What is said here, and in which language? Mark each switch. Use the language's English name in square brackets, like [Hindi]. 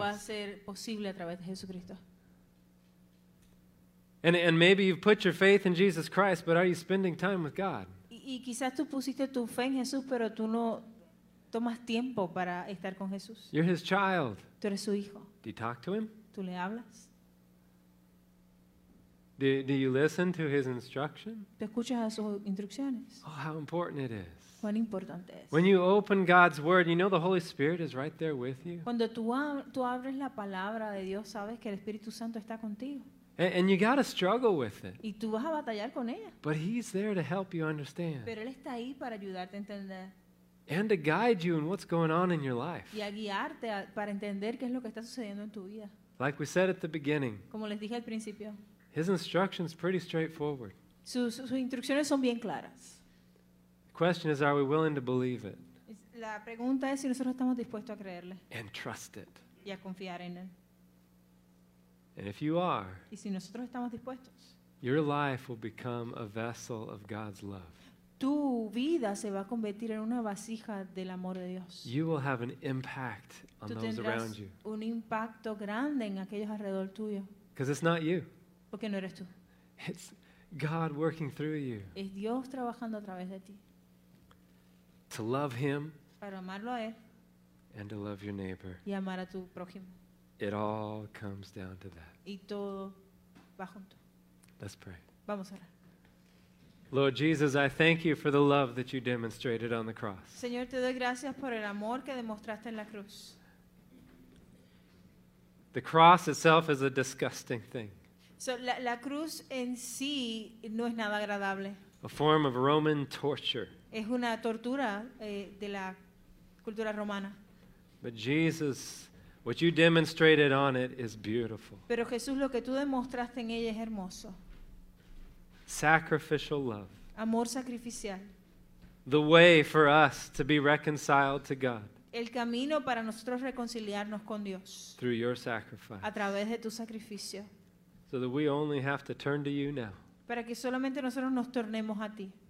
[Spanish] Va a hacer posible a través de Jesucristo. [English] And maybe you've put your faith in Jesus Christ, but are you spending time with God? [Spanish] Y quizás tú pusiste tu fe en Jesús, pero tú no tomas tiempo para estar con Jesús. [English] You're his child. [Spanish] Tú eres su hijo. [English] Do you talk to him? [Spanish] ¿Tú le hablas? [English] Do you listen to his instruction? [Spanish] ¿Te escuchas a sus instrucciones? [English] Oh, how important it is. [Spanish] ¿Cuán importante es? [English] When you open God's word, you know the Holy Spirit is right there with you. [Spanish] Cuando tú abres la palabra de Dios, sabes que el Espíritu Santo está contigo. [English] And you got to struggle with it. [Spanish] Y tú vas a batallar con ella. [English] But he's there to help you understand. [Spanish] Pero él está ahí para ayudarte a entender. [English] And to guide you in what's going on in your life. [Spanish] Y a guiarte para entender qué es lo que está sucediendo en tu vida. [English] Like we said at the beginning. [Spanish] Como les dije al principio. [English] His instructions are pretty straightforward. [Spanish] Sus instrucciones son bien claras. [English] The question is, are we willing to believe it? [Spanish] La pregunta es si nosotros estamos dispuestos a creerle. [English] And trust it. [Spanish] Y a confiar en él. [English] And if you are, [Spanish] y si nosotros estamos dispuestos, [English] your life will become a vessel of God's love. [Spanish] Tu vida se va a convertir en una vasija del amor de Dios. [English] You will have an impact on [Spanish] tú [English] those around you. [Spanish] Un impacto grande en aquellos alrededor tuyo. [English] Because it's not you. [Spanish] Porque no eres tú. [English] It's God working through you. [Spanish] Es Dios trabajando a través de ti. [English] To love him, [Spanish] para amarlo a él, [English] and to love your neighbor. [Spanish] Y amar a tu prójimo. [English] It all comes down to that. [Spanish] Y todo va junto. [English] Let's pray. [Spanish] Vamos a orar. [English] Lord Jesus, I thank you for the love that you demonstrated on the cross. [Spanish] Señor, te doy gracias por el amor que demostraste en la cruz. [English] The cross itself is a disgusting thing. [Spanish] So, la cruz en sí no es nada agradable. [English] A form of Roman torture. [Spanish] Es una tortura de la cultura romana. [English] But Jesus, what you demonstrated on it is beautiful. [Spanish] Pero Jesús, lo que tú demostraste en ella es hermoso. [English] Sacrificial love. [Spanish] Amor sacrificial. [English] The way for us to be reconciled to God. [Spanish] El camino para nosotros reconciliarnos con Dios. [English] Through your sacrifice. [Spanish] A través de tu sacrificio. [English] So that we only have to turn to you now. [Spanish] Para que solamente nosotros nos tornemos a ti.